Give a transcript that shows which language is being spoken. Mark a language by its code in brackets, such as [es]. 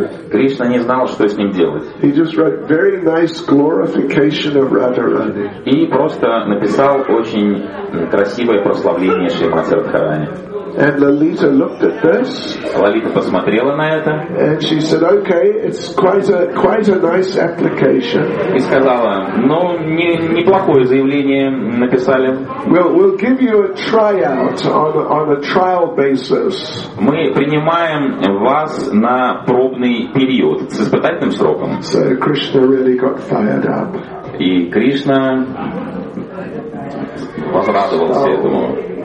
[ru] Кришна не знал, что с ним делать. [en] He just wrote very nice glorification of Radharani. [ru] И просто написал очень красивое прославление Шримати Радхарани. [en] And Lolita looked at this. [ru] Лолита посмотрела на это. [en] And she said, "Okay, it's quite a nice application." [ru] И сказала, "Ну, неплохое заявление написали." [en] We'll give you a tryout on a trial basis. [ru] Мы принимаем вас на пробный период с испытательным сроком. [en] So Krishna really got fired up. [ru] И Кришна возрадовался этому.